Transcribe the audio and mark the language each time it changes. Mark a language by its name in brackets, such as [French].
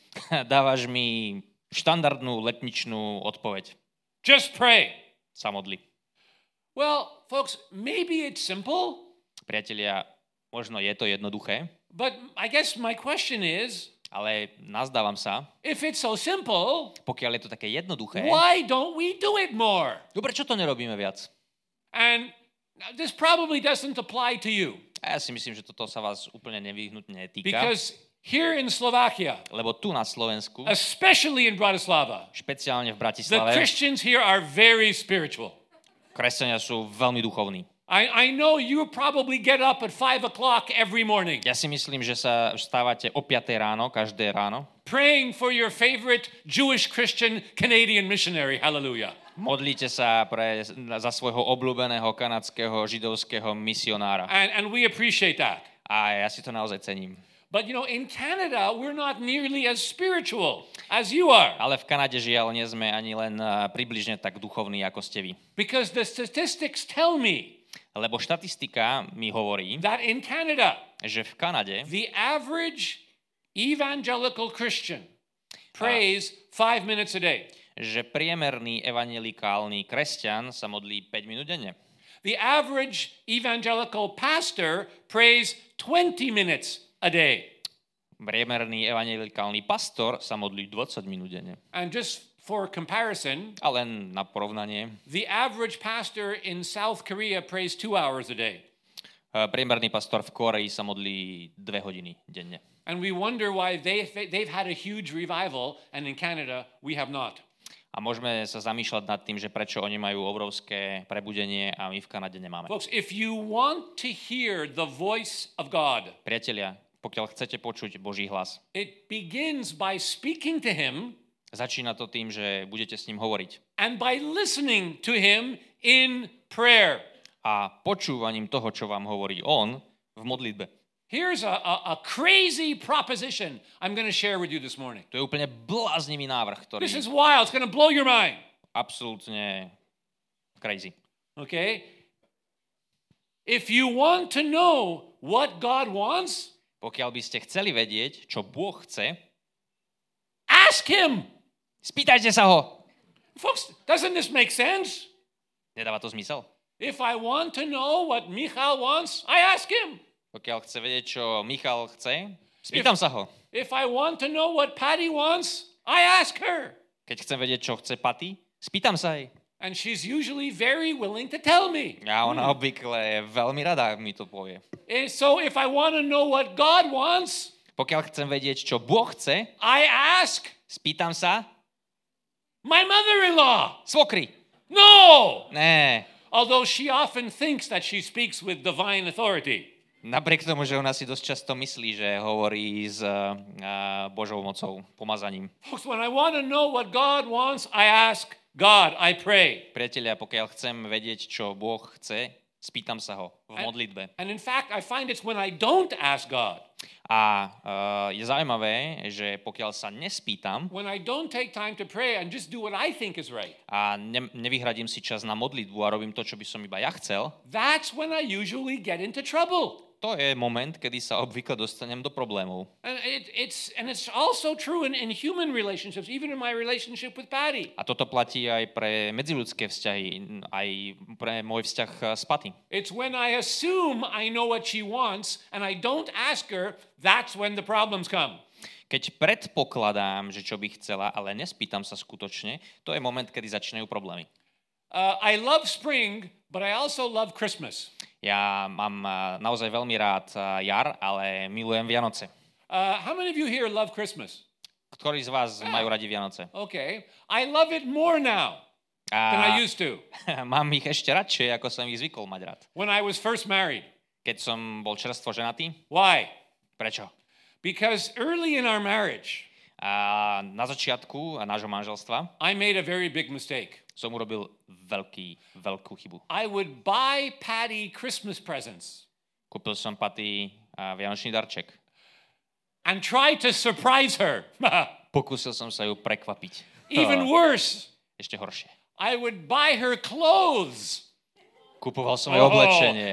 [Slovak] Dávaš mi štandardnú letničnú odpoveď. [English] Just pray. [Slovak] Sa modli. [English] Well, folks, maybe it's simple. [Slovak] Priatelia, možno je to jednoduché. [English] But I guess my question is, [Slovak] ale nazdávam sa, [English] if it's so simple, [Slovak] pokiaľ je to také jednoduché, [English] why don't we do it more? [Slovak] No prečo to nerobíme viac? [English] And this probably doesn't apply to you. [Slovak] A ja si myslím, že toto sa vás úplne nevyhnutne týka. [English] Because here in Slovakia, [Slovak] lebo tu na Slovensku, [English] especially in Bratislava, [Slovak] špeciálne v Bratislave, [English] the Christians here are very spiritual. [Slovak] Kresťania sú veľmi duchovní. [English] I know you probably get up at 5 o'clock every morning. [Slovak] Ja si myslím, že sa vstávate o 5 ráno, každé ráno. [English] Praying for your favorite Jewish Christian Canadian missionary. Hallelujah. [Slovak] Modlite sa za svojho obľúbeného kanadského židovského misionára. [English] And we appreciate that. [Slovak] A ja si to naozaj cením. [English] But you know, in Canada, we're not nearly as spiritual as you are. [Slovak] Ale v Kanade žiaľ nie sme ani len približne tak duchovní, ako ste vy. [English] Because the statistics tell me, [Slovak] lebo štatistika mi hovorí, [English] that in Canada, [Slovak] že v Kanade, [English] the average evangelical Christian prays 5 minutes a day. [Slovak] Že priemerný evangelikálny kresťan sa modlí 5 minút denne. [English] The average evangelical pastor prays 20 minutes a day. [Slovak] Priemerný evangelikálny pastor sa modlí 20 minút denne. [English] And just for comparison, [Slovak] a len na porovnanie, [English] the average pastor in South Korea prays 2 hours a day. [Slovak] Priemerný pastor v Koreji sa modlí 2 hodiny denne. [English] And we wonder why they've had a huge revival and in Canada we have not. [Slovak] A môžeme sa zamýšľať nad tým, že prečo oni majú obrovské prebudenie a my v Kanade nemáme. [English] Folks, if you want to hear the voice of God. [Slovak] Priatelia, pokiaľ chcete počuť Boží hlas. [English] It begins by speaking to him. [Slovak] Začína to tým, že budete s ním hovoriť. [English] And by listening to him in prayer. [Slovak] A počúvaním toho, čo vám hovorí on v modlitbe. [English] Here's a crazy proposition I'm going to share with you this morning. [Slovak] To je úplne bláznivý návrh, ktorý. [English] This is wild. It's going to blow your mind. [Slovak] Absolútne crazy. [English] Okay? If you want to know what God wants, [Slovak] pokiaľ by ste chceli vedieť, čo Boh chce, [English] ask him. [Slovak] Spýtajte sa ho. [English] Folks, doesn't this make sense? [Slovak] Nedáva to zmysel? [English] If I want to know what Michal wants, I ask him. [Slovak] Pokiaľ chce vedieť, čo Michal chce, spýtam sa ho. [English] If I want to know what Patty wants, I ask her. [Slovak] Keď chcem vedieť, čo chce Patty, spýtam sa jej. [English] And she's usually very willing to tell me. [Slovak] A ona obvykle je veľmi rada, mi to povie. [English] And so if I want to know what God wants, [Slovak] pokiaľ chcem vedieť, čo Boh chce, [English] I ask, [Slovak] spýtam sa [English] my mother-in-law. [Slovak] Svokry. [English] No! [Slovak] Ne. [English] Although she often thinks that she speaks with divine authority. [Slovak] Napriek tomu, že ona si dosť často myslí, že hovorí s Božou mocou, pomazaním. [English] Folks, when I want to know what God wants, I ask God, I pray. [Slovak] Priatelia, pokiaľ chcem vedieť, čo Boh chce, spýtam sa ho v modlitbe. [English] And in fact, I find it's when I don't ask God. [Slovak] A je zaujímavé, že pokiaľ sa nespýtam, [English] when I don't take time to pray and just do what I think is right. [Slovak] A nevyhradím si čas na modlitbu a robím to, čo by som iba ja chcel. [English] That's when I usually get into trouble. [Slovak] To je moment, kedy sa obvykle dostanem do problémov. [English] And it's also true in human relationships, even in my relationship with Patty. [Slovak] A toto platí aj pre medziľudské vzťahy, aj pre môj vzťah s Patty. [English] It's when I assume I know what she wants and I don't ask her, that's when the problems come. [Slovak] Keď predpokladám, že čo by chcela, ale nespýtam sa skutočne, to je moment, kedy začínajú problémy. [English] I love spring, but I also love Christmas. [Slovak] Ja mám naozaj veľmi rád jar, ale milujem Vianoce. [English] How many of you here love Christmas? [Slovak] Ktorí z vás majú radi Vianoce? [English] Okay. I love it more now than I used to. [Slovak] Mám ich ešte radšej, ako som ich zvykol mať rád. [English] When I was first married. [Slovak] Keď som bol čerstvo ženatý. [English] Why? [Slovak] Prečo? [English] Because early in our marriage. [Slovak] Na začiatku nášho manželstva. [English] I made a very big mistake. [Slovak] Som urobil veľkú chybu. [English] I would buy Patty Christmas presents. [Slovak] Kúpil som Patty vianočný darček. [English] And try to surprise her. [Slovak] Pokúsil som sa ju prekvapiť. [English] Even worse. [Slovak] Ešte horšie. [English] I would buy her clothes. [Slovak] Kúpoval som jej oblečenie.